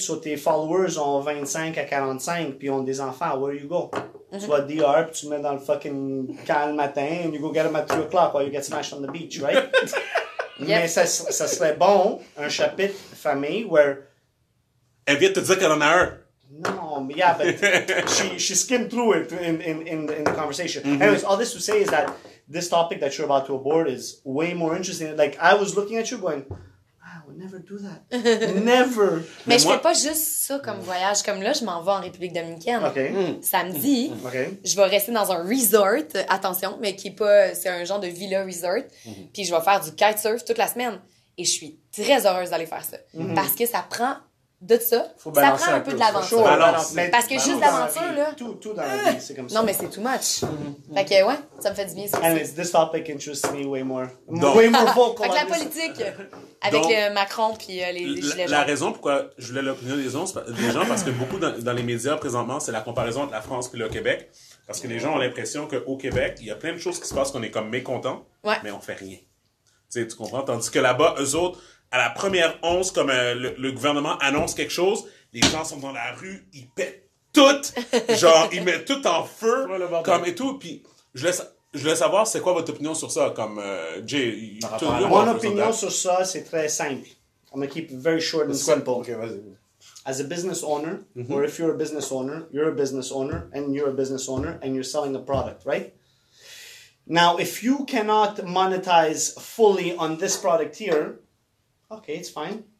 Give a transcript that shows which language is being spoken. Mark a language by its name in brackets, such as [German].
[French] So, tes followers ont 25 à 45, puis ont des enfants. [English] Where you go? Mm-hmm. [French] Tu vas DR, puis tu mets dans le fucking camp le matin, [English] and you go get them at 3 o'clock while you get smashed on the beach, right? Yep. [French] Mais ça serait bon, un chapitre de famille, where... Elle vient te dire qu'elle en a un. Non, mais [English] yeah, but she skimmed through it in the conversation. Mm-hmm. Anyways, all this to say is that this topic that you're about to abort is way more interesting. Like, I was looking at you going, I would never do that. Never. [French] Mais je fais pas juste ça comme voyage. Comme là, je m'en vais en République Dominicaine. Okay. Samedi, okay. Je vais rester dans un resort, attention, mais qui est pas, c'est un genre de villa resort. Mm-hmm. Puis je vais faire du kitesurf toute la semaine. Et je suis très heureuse d'aller faire ça. Mm-hmm. Parce que ça prend... De ça, faut balancer ça prend un peu de l'aventure. Chaud, parce que juste l'aventure, la vie, là... Tout dans la vie, c'est comme ça. Non, mais c'est [English] too much. Mm-hmm. [French] Fait que, ouais, ça me fait du bien, ça. [English] Anyways, this topic interests me way more. Donc. Way more vocal. [French] Fait que la politique, avec donc, Macron puis les Gilets jaunes. La raison pourquoi je voulais l'opinion des gens, parce que beaucoup dans les médias, présentement, c'est la comparaison entre la France puis le Québec. Parce que les gens ont l'impression qu'au Québec, il y a plein de choses qui se passent qu'on est comme mécontents, ouais. Mais on fait rien. Tu sais, tu comprends? Tandis que là-bas, eux autres... à la première once, comme le gouvernement annonce quelque chose, les gens sont dans la rue, ils pètent tout. Genre, ils mettent tout en feu. Ouais, comme et tout. Puis, je voulais savoir, c'est quoi votre opinion sur ça? Comme, Jay, tout le monde. Mon opinion sur ça, c'est très simple. [English] I'm gonna keep it very short and simple. [French] Ok, vas-y. [English] As a business owner, mm-hmm. or if you're a business owner, you're a business owner, and you're a business owner, and you're selling a product, right? Now, if you cannot monetize fully on this product here, okay, it's fine.